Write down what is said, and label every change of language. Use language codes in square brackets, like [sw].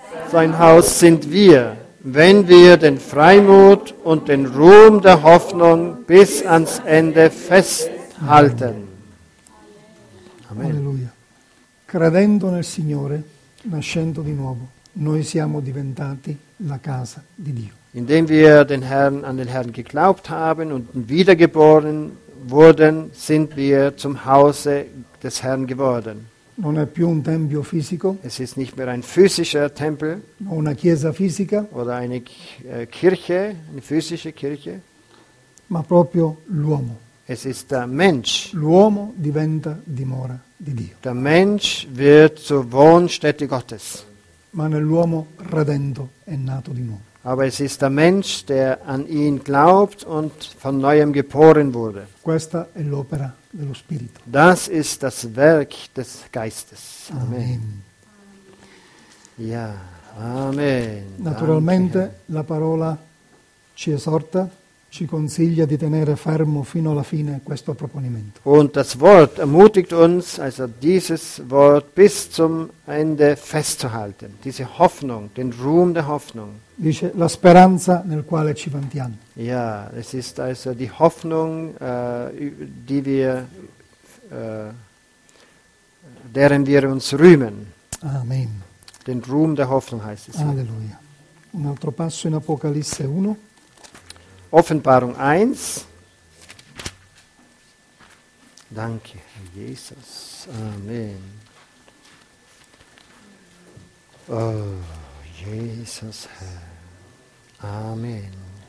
[de] Sein Haus sind wir, wenn wir den Freimut und den Ruhm der Hoffnung bis ans Ende festhalten. Amen. Halleluja. [it] Credendo nel Signore, nascendo di nuovo, noi siamo diventati la casa di Dio. [de] Indem wir den Herrn, an den Herrn geglaubt haben und wiedergeboren wurden, sind wir zum Hause des Herrn geworden. [it] Non è più un tempio fisico. [de] Es ist nicht mehr ein physischer Tempel. [it] Una chiesa fisica. [de] Oder eine Kirche, eine physische Kirche. [it] Ma proprio l'uomo. [de] Es ist der Mensch. [it] L'uomo diventa dimora di Dio. [de] Der Mensch wird zur Wohnstätte Gottes. [it] Ma nell'uomo redento è nato di nuovo. [de] Aber es ist der Mensch, der an ihn glaubt und von neuem geboren wurde. [it] Questa è l'opera dello Spirito. [de] Das ist das Werk des Geistes. Amen. Amen. Ja, Amen. [it] Naturalmente Danke. La parola ci esorta, ci consiglia di tenere fermo fino alla fine questo proponimento. [de] Und das Wort ermutigt uns, also dieses Wort bis zum Ende festzuhalten. Diese Hoffnung, den Ruhm der Hoffnung. [it] Dice, la speranza nel quale ci vantiamo. [de] Ja, es ist also die Hoffnung, die wir, deren wir uns rühmen. Amen. Den Ruhm der Hoffnung heißt es. [it] Alleluia. Un altro passo in Apocalisse 1. [de] Offenbarung 1. Danke, Jesus. Amen. Oh, Jesus, Herr. Amen.